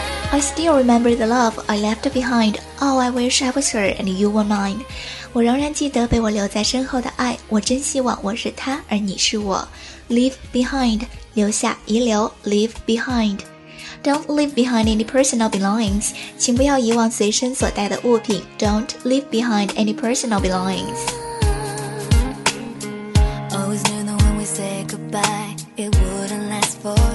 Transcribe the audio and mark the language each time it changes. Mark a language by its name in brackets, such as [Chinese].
[English] I still remember the love I left behind. Oh, I wish I was her and you were mine. [Chinese] 我仍然记得被我留在身后的爱，我真希望我是她而你是我。 [English] Leave behind，留下、遗留。 Leave behind. Don't leave behind any personal belongings. [Chinese] 请不要遗忘随身所带的物品。 [English] Don't leave behind any personal belongings. Always knew that when we say goodbye it wouldn't last forever.